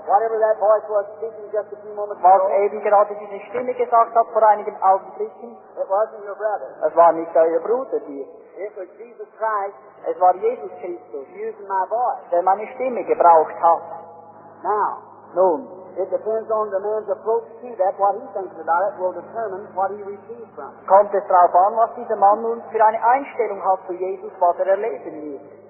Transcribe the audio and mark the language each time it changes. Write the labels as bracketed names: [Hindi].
[English] Whatever that voice was speaking just a few moments [German] was [English] ago. [German] Was eben gerade diese Stimme gesagt hat vor einigen Augenblicken. [English] It wasn't your brother. [German] Es war nicht euer Bruder hier. [English] It was Jesus Christ. [German] Es war Jesus Christus. [English] Using my voice. [German] Der meine Stimme gebraucht hat. [English] Now. [German] Nun. [English] It depends on the man's approach to that. What he thinks about it will determine what he receives from. [German] Kommt es darauf an, was dieser Mann nun für eine Einstellung hat zu Jesus, was erleben wird?